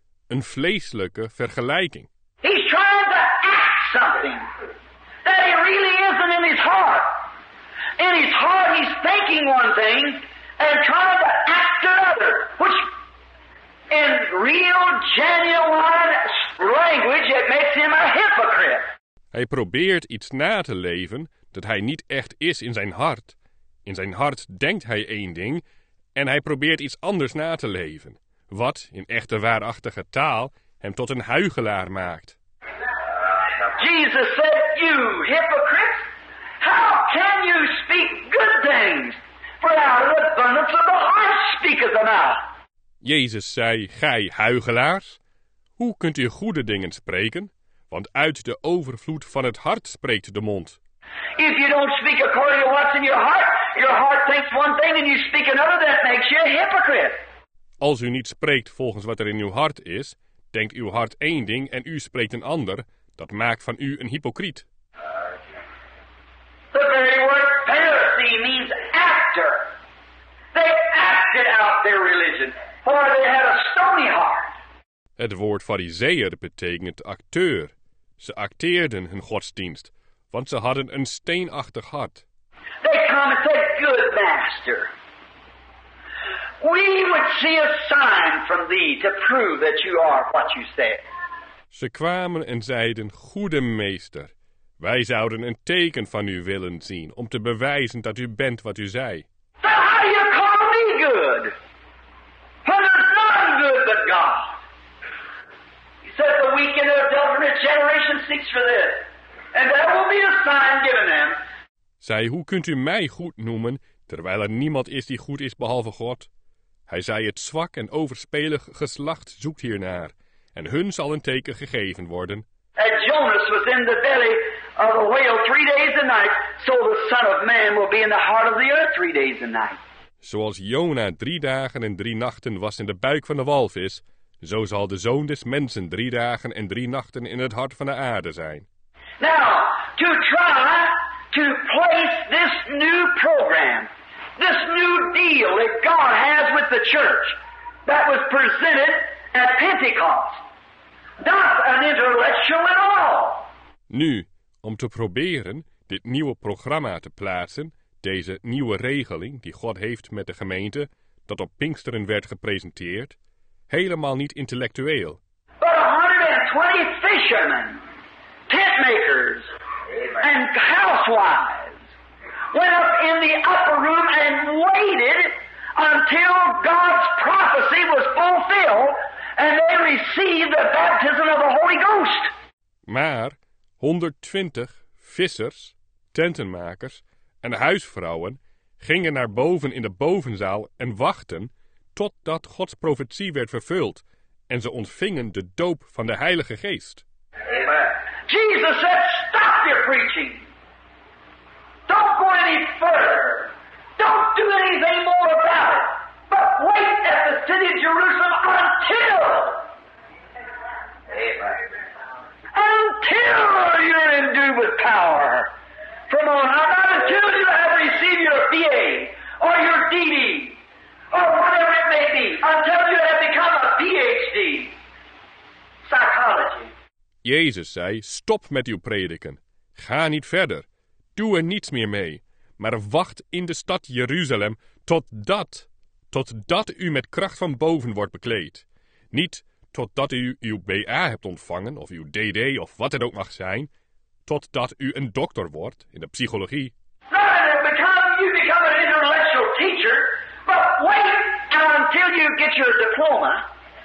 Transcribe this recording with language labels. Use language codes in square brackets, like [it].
[nl] Een vleeselijke vergelijking. [en] He's trying to act something that he really isn't in his heart. In his heart he's thinking one thing and trying to act another, which in real, genuine language, it makes him a hypocrite. [nl] Hij probeert iets na te leven dat hij niet echt is in zijn hart. In zijn hart denkt hij één ding en hij probeert iets anders na te leven. Wat, in echte waarachtige taal, hem tot een huichelaar maakt. [en] Jesus said, you hypocrites, how can you speak good things? For out of the abundance of the heart speaketh the mouth. [nl] Jezus zei, gij huichelaars, hoe kunt u goede dingen spreken? Want uit de overvloed van het hart spreekt de mond. [en] If you don't speak according to what's in your heart thinks one thing and you speak another, that makes you a hypocrite. [nl] Als u niet spreekt volgens wat er in uw hart is, denkt uw hart één ding en u spreekt een ander, dat maakt van u een hypocriet. [en] The very word Pharisee means actor. They acted out their religion, for they had a stony heart. [nl] Het woord fariseer betekent acteur. Ze acteerden hun godsdienst, want ze hadden een steenachtig hart. [en] They come and say, good master. We would see a sign from thee to prove that you are what you say. [nl] Ze kwamen en zeiden, goede meester, wij zouden een teken van u willen zien om te bewijzen dat u bent wat u zei. [en] So how you call me good? When there's none good but God. He said the weak and adulterous generation seeks for this. And there will be a sign given them. [nl] Zij, hoe kunt u mij goed noemen, terwijl er niemand is die goed is behalve God? Hij zei, het zwak en overspelig geslacht zoekt hiernaar, en hun zal een teken gegeven worden. [en] As Jonas was in the belly of a whale 3 days a night, so the Son of Man will be in the heart of the earth 3 days a night. [nl] Zoals Jona 3 dagen en 3 nachten was in de buik van de walvis, zo zal de Zoon des Mensen 3 dagen en 3 nachten in het hart van de aarde zijn. [en] Now, to try to place this new program, this new deal that God has with the church that was presented at Pentecost, not an intellectual at all. [nl] Nu, om te proberen dit nieuwe programma te plaatsen, deze nieuwe regeling die God heeft met de gemeente, dat op Pinksteren werd gepresenteerd, helemaal niet intellectueel. [en] But 120 fishermen, tentmakers, and housewives went up in the upper room and waited until God's prophecy was fulfilled and they received the baptism of the Holy Ghost. [nl] Maar 120 vissers, tentenmakers en huisvrouwen gingen naar boven in de bovenzaal en wachten totdat Gods profetie werd vervuld en ze ontvingen de doop van de Heilige Geest. [en] Amen. Jesus said, stop your preaching. Don't go any further. Don't do anything more about it. But wait at the city of Jerusalem until... Amen. Until you're endued with power. From on high, not until you have received your BA or your DD or whatever it may be. Until you have become a PhD. Psychology. [nl] Jezus zei, stop met uw prediken. Ga niet verder. Doe er niets meer mee. Maar wacht in de stad Jeruzalem totdat u met kracht van boven wordt bekleed. Niet totdat u uw BA hebt ontvangen, of uw DD, of wat het ook mag zijn. Totdat u een dokter wordt in de psychologie. [en] You become an intellectual teacher, but wait until you get your diploma.